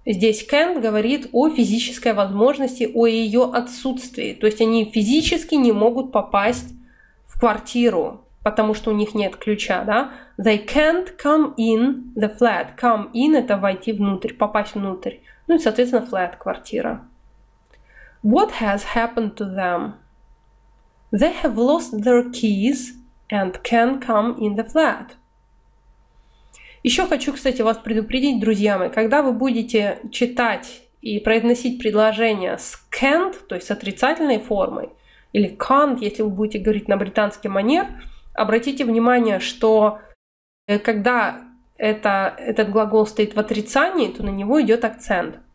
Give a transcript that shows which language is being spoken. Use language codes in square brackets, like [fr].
[ru] Здесь can't говорит о физической возможности, о ее отсутствии, то есть они физически не могут попасть в квартиру, потому что у них нет ключа, да? [en] They can't come in the flat. [ru] Come in – это войти внутрь, попасть внутрь. Ну и, соответственно, flat – квартира. [en] What has happened to them? They have lost their keys and can't come in the flat. [ru] Еще хочу, кстати, вас предупредить, друзья мои, когда вы будете читать и произносить предложение с can't, то есть с отрицательной формой, или can't, если вы будете говорить на британский манер, обратите внимание, что когда этот глагол стоит в отрицании, то на него идет акцент.